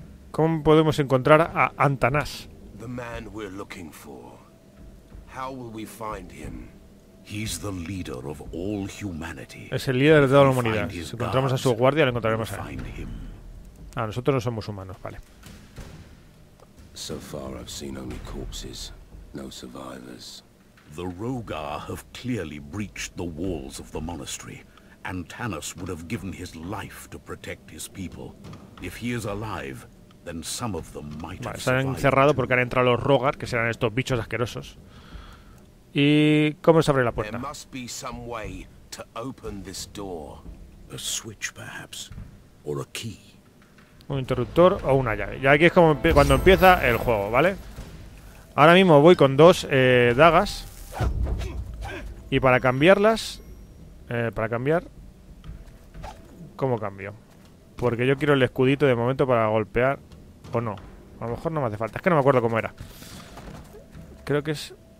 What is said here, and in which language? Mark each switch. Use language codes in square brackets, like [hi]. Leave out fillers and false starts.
[es] ¿Cómo podemos encontrar a Antanas? [en] The man we're looking for. How will we find him? He's the leader of all humanity. [es] Es el líder de toda la humanidad. Si encontramos a su guardia, lo encontraremos a él. Ah, nosotros no somos humanos, vale. [en] So far I've seen only corpses, no survivors. The Rogar have clearly breached the walls of the monastery. Antanas would have given his life to protect his people. If he is alive, then some of them might have survived. [es] Se han encerrado porque han entrado los Rogar, que serán estos bichos asquerosos. ¿Y cómo se abre la puerta? [en] There must be some way to open this door. A switch, perhaps, or a key. [es] un interruptor o una llave. Y aquí es como cuando empieza el juego, ¿vale? Ahora mismo voy con dos dagas. Y para cambiarlas, para cambiar, ¿cómo cambio? Porque yo quiero el escudito de momento para golpear. O no, a lo mejor no me hace falta. Es que no me acuerdo cómo era. Creo que es...